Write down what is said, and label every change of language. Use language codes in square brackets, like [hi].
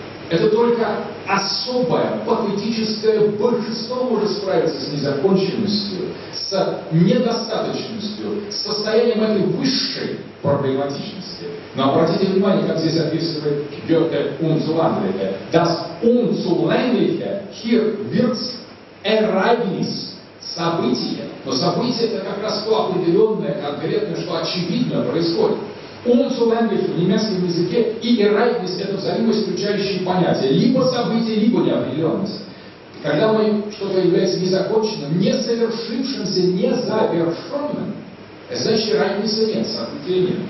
[ru] Это только особое, патетическое божество может справиться с незаконченностью, с недостаточностью, с состоянием этой высшей проблематичности. Но обратите внимание, как здесь описывает Гёте «Unzulängliche». [de] «Das Unzulängliche hier wird Ereignis» – [ru] «событие». Но событие – это как раз то определенное, конкретное, что очевидно происходит. «Unzulängliche» в немецком языке и «Ereignis» – это взаимоисключающие понятия. Либо событие, либо неопределенность. Когда мы что-то является незаконченным, несовершившимся, незавершенным, значит, разницы нет, события нет.